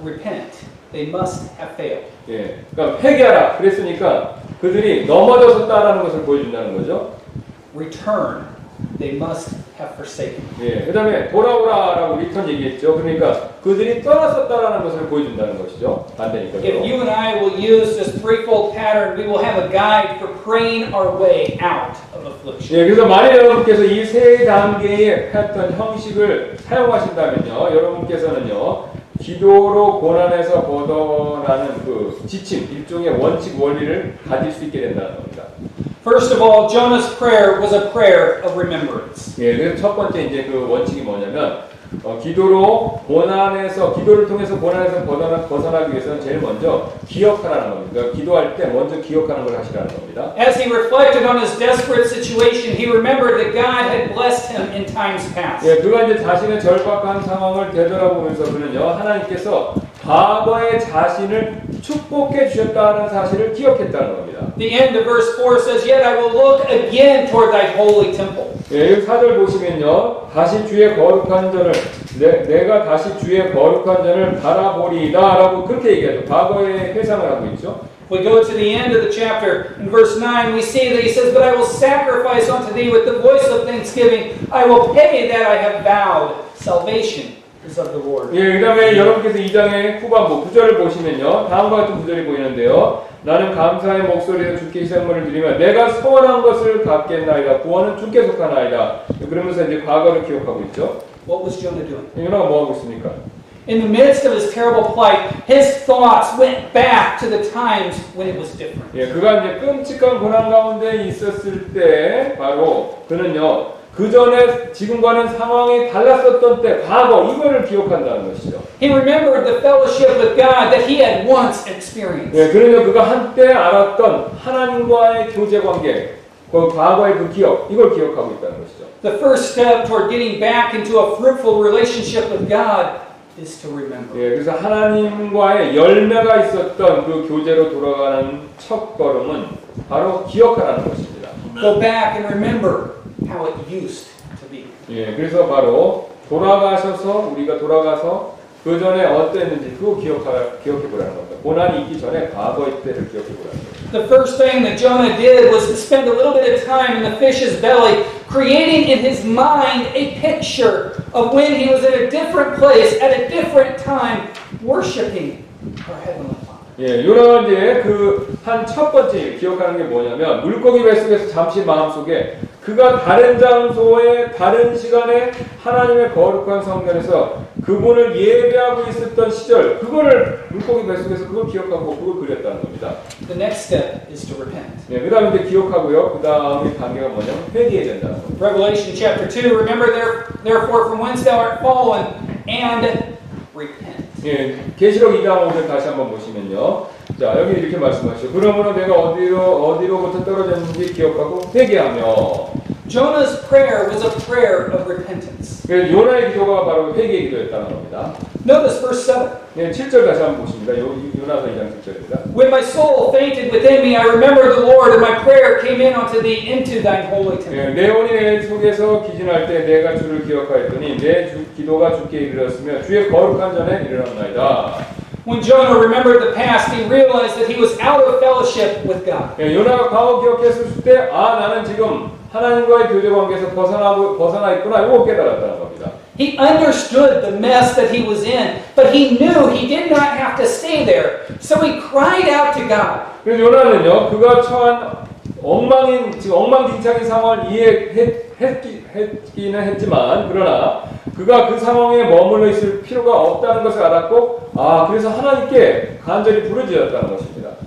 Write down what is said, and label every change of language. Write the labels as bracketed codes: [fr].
[en] Repent, they must have failed. [ko] 예, 그러니까 회개하라. 그랬으니까 그들이 넘어졌다라는 것을 보여준다는 거죠. [en] Return, they must have forsaken. [ko] 예, 그다음에 돌아오라라고 return 얘기했죠. 그러니까 그들이 떠났었다라는 것을 보여준다는 것이죠. 반대니까. [en] If you and I will use this threefold pattern, we will have a guide for praying our way out of affliction. [ko] 예, 그래서 만약 여러분께서 이 세 단계의 패턴 형식을 사용하신다면요, 여러분께서는요. 기도로 고난에서 벗어나는 그 지침, 일종의 원칙 원리를 가질 수 있게 된다는 겁니다. [en] First of all, Jonah's prayer was a prayer of remembrance. [ko] 예, 그럼 첫 번째 이제 그 원칙이 뭐냐면 기도로 고난에서 기도를 통해서 고난에서 벗어나기 위해서는 제일 먼저 기억하라는 겁니다. 그러니까 기도할 때 먼저 기억하는 걸 하시라는 겁니다. [en] As he reflected on his desperate situation, he remembered that God had blessed him in times past. [ko] 예, 그가 이제 자신의 절박한 상황을 되돌아보면서 그는요 하나님께서 과거의 자신을 축복해 주셨다는 사실을 기억했다는 겁니다. [en] The end of verse 4 says, Yet I will look again toward thy holy temple. [ko] 예, 이 사절 보시면요. 다시 주의 거룩한 전을, 내가 다시 주의 거룩한 전을 바라보리이다. 라고 그렇게 얘기하죠. 과거의 회상을 하고 있죠. [en] We go to the end of the chapter, in verse 9, we see that he says, But I will sacrifice unto thee with the voice of thanksgiving. I will pay that I have vowed salvation. [ko] 예, 그 다음에 여러분께서 2장의 후반부 9절을 보시면요. 다음과 같은 구절이 보이는데요. 나는 감사의 목소리로 주께 희생물을 드리며 내가 소원한 것을 갖겠나이다. 구원은 주께 속하나이다. 그러면서 이제 과거를 기억하고 있죠. [en] What was Jonah doing? [ko] 요나가 뭐하고 있습니까? [en] In the midst of his terrible plight, his thoughts went back to the times when it was different. [ko] 예, 그가 이제 끔찍한 고난 가운데 있었을 때 바로 그는요. 그 전에 지금과는 상황이 달랐었던 때 과거 이거를 기억한다는 것이죠. [en] He remembered the fellowship with God that he had once experienced. [ko] 예, 그러면 그가 한때 알았던 하나님과의 교제 관계, 그 과거의 그 기억, 이걸 기억하고 있다는 것이죠. [en] The first step toward getting back into a fruitful relationship with God is to remember. [ko] 예, 그래서 하나님과의 열매가 있었던 그 교제로 돌아가는 첫 걸음은 바로 기억하라는 것입니다. [en] Go back and remember. How it used to be. [ko] 예, 그래서 바로 돌아가셔서 우리가 돌아가서 그 전에 어땠는지 그거 기억해 보라는 겁니다. 고난이 있기 전에 과거의 때를 기억해 보라는 겁니다. [en] The first thing that Jonah did was to spend a little bit of time in the fish's belly, creating in his mind a picture of when he was at a different place at a different time, worshiping our heavenly. [ko] 예, 요나는 이제 그 한 첫 번째 기억하는 게 뭐냐면 물고기 뱃속에서 잠시 마음속에 그가 다른 장소에 다른 시간에 하나님의 거룩한 성전에서 그분을 예배하고 있었던 시절 그거를 물고기 뱃속에서 그걸 기억하고 그걸 그렸다는 겁니다. [en] The next step is to repent. [ko] 예, 그 다음 이제 기억하고요. 그 다음의 단계가 뭐냐면 회개해야 된다는 겁니다. [en] Revelation chapter 2 Remember therefore from whence thou art fallen and repent. [ko] 예, 계시록 2장 5절 다시 한번 보시면요. 자, 여기 이렇게 말씀하시죠. 그러므로 내가 어디로부터 떨어졌는지 기억하고 회개하며. [en] Jonah's prayer was a prayer of repentance. [ko] 예, 요나의 기도가 바로 회개의 기도였다는 겁니다. [en] Notice verse 7. [ko] 예, 7절 다시 한번 보십니다. 요나서 2장 7절입니다. [en] When my soul fainted within me, I remembered the Lord, and my prayer came in unto thee into thine holy temple. [ko] 예, 내 혼이 내 속에서 기진할 때 내가 주를 기억하였더니 내 기도가 주께 이르렀으며 주의 거룩한 전에 이르렀나이다. [en] When Jonah remembered the past, he realized that he was out of fellowship with God. [ko] 예, 요나가 과거 기억했을 때, 아, 나는 지금 하나님과의 교제 관계에서 벗어나 있구나, 이거 깨달았다는 겁니다. [en] He understood the mess that he was in, but he knew he did not have to stay there. So he cried out to God. [ko] 그래서 요나는요, 그가 처한 엉망진창인 상황을 이해했기는 했지만, 그러나 그가 그 상황에 머물러 있을 필요가 없다는 것을 알았고, 아, 그래서 하나님께 간절히 부르짖었다는 것입니다.